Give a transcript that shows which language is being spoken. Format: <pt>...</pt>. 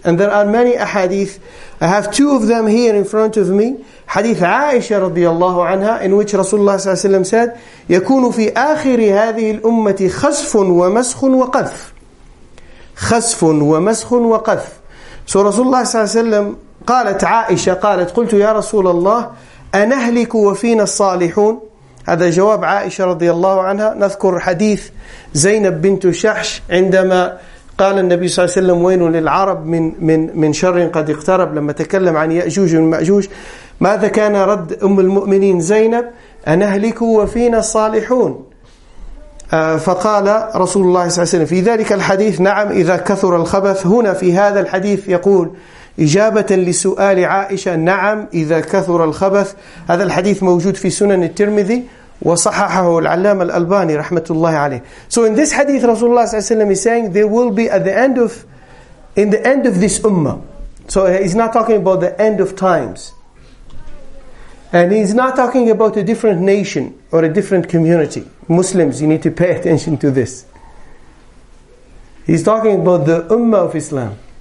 <en>And there are many ahadith. I have two of them here in front of me.</en> <ar>Hadith Aisha radiallahu anha, in which Rasulullah sallallahu alayhi wa sallam said, يَكُونُ فِي آخِرِ هَذِهِ الْأُمَّةِ خَسْفٌ وَمَسْخٌ وَقَذْفٌ خَسْفٌ وَمَسْخٌ وَقَذْفٌ.</ar> <en>So</en> <ar>Rasulullah sallallahu alayhi wa sallam, قالت عائشة, قالت, قلت يا رسول الله, أَنَهْلِكُ وَفِينَ الصَّالِحُونَ. هذا جواب عائشة radiallahu anha. نذكر حديث زينب بنت شحش عندما قال النبي صلى الله عليه وسلم وين للعرب من من من شر قد اقترب, لما تكلم عن يأجوج والمأجوج, ماذا كان رد أم المؤمنين زينب؟ أنهلك وفينا الصالحون. فقال رسول الله صلى الله عليه وسلم في ذلك الحديث, نعم إذا كثر الخبث. هنا في هذا الحديث يقول إجابة لسؤال عائشة, نعم إذا كثر الخبث. هذا الحديث موجود في سنن الترمذي وصححه العلامة الألباني رحمة الله عليه.</ar> <en>So in this hadith, Rasulullah صلى الله عليه وسلم is saying there will be at the end of, in the end of this ummah. So he's not talking about the end of times. And he's not talking about a different nation or a different community. Muslims, you need to pay attention to this. He's talking about the ummah of Islam.</en>